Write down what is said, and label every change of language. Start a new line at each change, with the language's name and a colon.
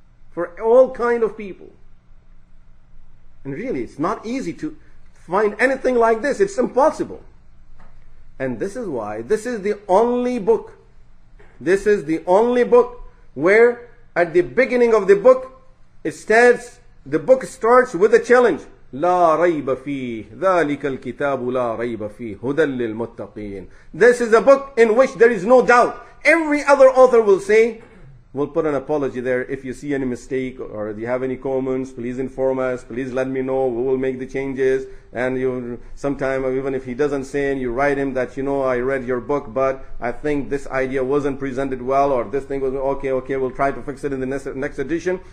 English: For all kind of people. And really, it's not easy to find anything like this. It's impossible. And this is why, this is the only book, this is the only book where at the beginning of the book, the book starts with a challenge.
Arabic: لا ريب فيه ذلك الكتاب لا ريب فيه هدى للمتقين.
English: This is a book in which there is no doubt. Every other author will say, we'll put an apology there. If you see any mistake or you have any comments, please inform us. Please let me know. We will make the changes. And you, sometime, even if he doesn't say, and you write him that, you know, I read your book, but I think this idea wasn't presented well, or this thing was, okay, we'll try to fix it in the next edition.